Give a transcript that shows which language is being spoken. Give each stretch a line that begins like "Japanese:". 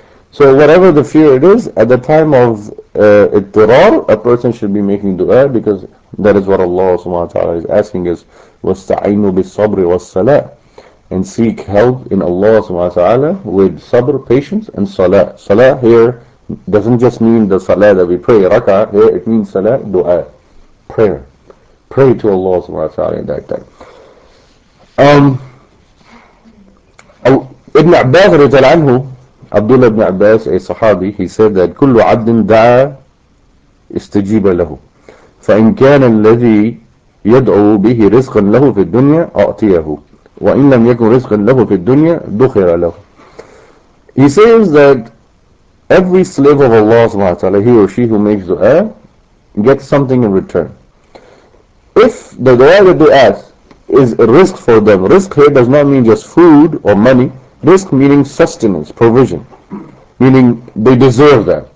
English: So whatever the fear it is, at the time of ittirar, a person should be making dua, because that is what Allah subhanahu wa ta'ala is asking us,
Arabic: wasta'inu bis-sabri was-salah,
English: and seek help in Allah subhanahu wa ta'ala with sabr, patience, and salah. Salah here doesn't just mean the salah that we pray, rak'ah, here it means salah, dua, prayer. Pray to Allah subhanahu wa ta'ala in that time.
Arabic: Ibn Abbas رجل عنه, Abdullah ibn Abbas,
English: a Sahabi, he said that
Arabic: كُلُّ عَبْدٍ دَعَى إِسْتَجِيبَ لَهُ فَإِنْ كَانَ الَّذِي يَدْعُو بِهِ رِزْقًا لَهُ فِي الدُّنْيَا أَعْطِيَهُ وَإِنْ لَمْ يَكُنْ رِزْقًا لَهُ فِي الدُّنْيَا دُخِرَ لَهُ.
English: He says that every slave of Allah subhanahu wa ta'ala, he or she who makes dua, gets something in return. If the dua that they ask is a risk for them, risk here does not mean just food or money. Risk meaning sustenance, provision, meaning they deserve that.